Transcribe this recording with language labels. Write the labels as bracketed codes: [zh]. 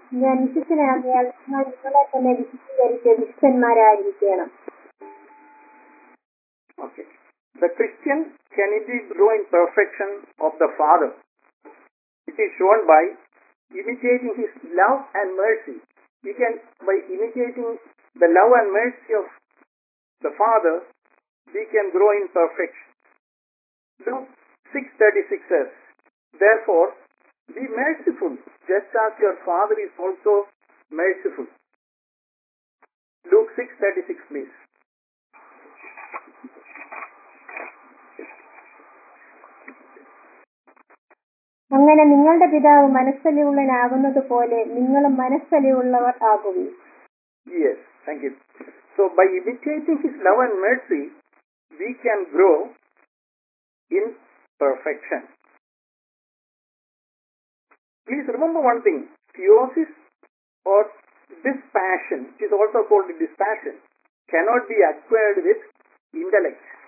[ml] ഞാൻ വിശുദ്ധനാകയാൽ നിങ്ങൾ നിങ്ങളെ തന്നെ വിശുദ്ധീകരിച്ച് വിശുദ്ധന്മാരായിരിക്കണം. [en] Okay. The Christian, can it grow in perfection of the Father? It is shown by imitating His love and mercy. We can, by imitating the love and mercy of the Father, we can grow in perfection. Luke 6:36 says, therefore, be merciful, just as your Father is also merciful. Luke 6:36, please. [ml] അങ്ങനെ നിങ്ങളുടെ പിതാവ് മനസ്സലിയുള്ളവനാകുന്നത് പോലെ നിങ്ങളും മനസ്സലിയുള്ളവർ ആകുവിൻ. [en] Yes, thank you. So by imitating His love and mercy, we can grow in perfection. Please remember one thing. Theosis or dispassion, which is also called dispassion, cannot be acquired with intellect.